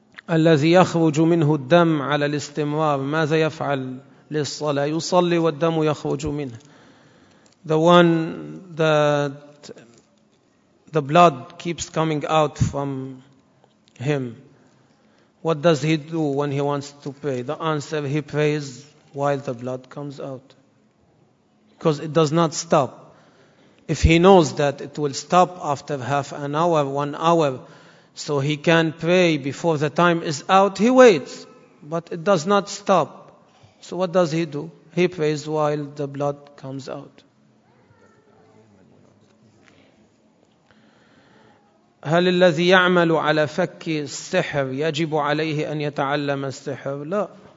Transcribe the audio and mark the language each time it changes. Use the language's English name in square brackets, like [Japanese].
[Arabic] الذي يخرج منه الدم على الاستمرار ماذا يفعل للصلاة يصلي والدم يخرج منه. [English] The one that the blood keeps coming out from him, what does he do when he wants to pray? The answer, he prays while the blood comes out, because it does not stop. If he knows that it will stop after half an hour, 1 hour, so he can pray before the time is out, he waits. But it does not stop. So what does he do? He prays while the blood comes out. [Arabic] هل الذي يعمل على فك السحر يجب عليه أن يتعلم السحر؟ لا.